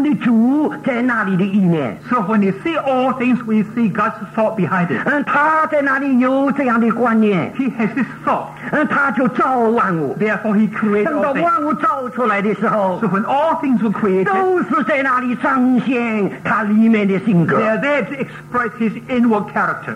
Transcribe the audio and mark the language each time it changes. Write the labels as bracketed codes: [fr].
[zh] 我们看见万有，我们就看见了是我们的主在那里的意念. [en] So when you see all things, we see God's thought behind it. [zh] 他在那里有这样的观念. [en] He has this thought. [zh] 他就造万物. [en] Therefore he created all things. [zh] 等到万物造出来的时候, [en] so when all things were created, [zh] 都是在那里彰显他里面的性格. [en] They are there to express his inward character.